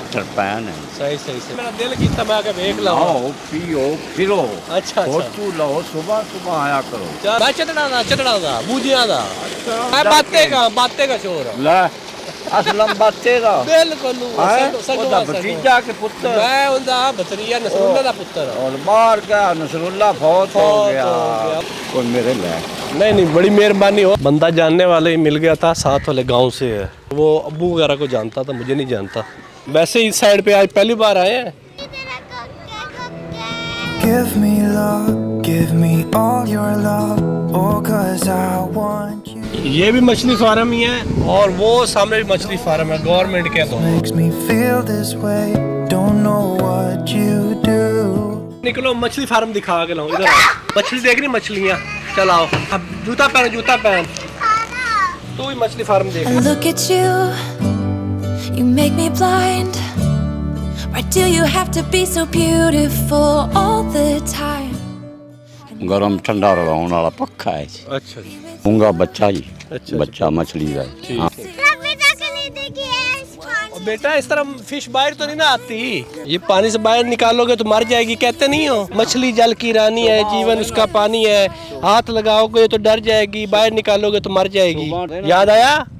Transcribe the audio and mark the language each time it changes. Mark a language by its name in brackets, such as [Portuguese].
[Hindi] बड़ी मेहरबानी हो, बंदा जानने वाले ही मिल गया था, साथ वाले गांव से है। वो अबू वगैरह को जानता था, मुझे नहीं जानता। वैसे इस साइड पे आज पहली बार आए हैं। [English] Give me love, give me all your love, oh cause I want you. [Hindi] ये भी मछली फार्म ही है, और वो सामने भी मछली फार्म है गवर्नमेंट के। [English] तो makes me feel this way, don't know what you do. [Hindi] निकलो मछली फार्म दिखा के लाओ, इधर मछली देखनी, मछलियां चलाओ। अब जूता पहन, जूता पहन, तू ही मछली फार्म देख। [English] Look at you. You make me blind. Why do you have to be so beautiful all the time? [Hindi] गरम ठंडा रहने वाला पक्का है। अच्छा अच्छा। पूंगा बच्चा ही। बच्चा मछली है। बेटा इस तरह फिश बाहर तो नहीं ना आती, ये पानी से बाहर निकालोगे तो मर जाएगी, कहते नहीं हो मछली जल की रानी है, जीवन उसका पानी है, हाथ लगाओगे तो डर जाएगी, बाहर निकालोगे तो मर जाएगी। याद आया?